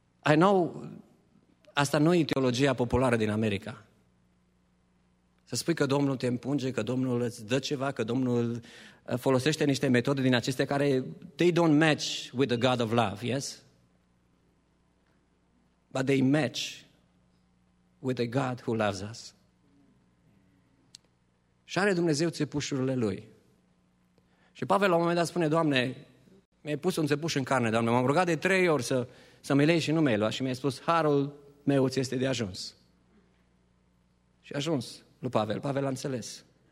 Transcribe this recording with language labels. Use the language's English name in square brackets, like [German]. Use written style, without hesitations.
[English] I know, [Romanian] asta nu e teologia populară din America. Să spui că Domnul te împunge, că Domnul îți dă ceva, că Domnul folosește niște metode din acestea care [English] they don't match with the God of love, yes? But they match with the God who loves us. [Romanian] Și are Dumnezeu țepușurile Lui. Și Pavel la un moment dat spune, Doamne, mi-ai pus un țepuș în carne, Doamne, m-am rugat de 3 ori să mi-l iei și nu mi-ai luat. Și mi-ai spus, harul meu ți este de ajuns. Și a ajuns lui Pavel. Pavel a înțeles.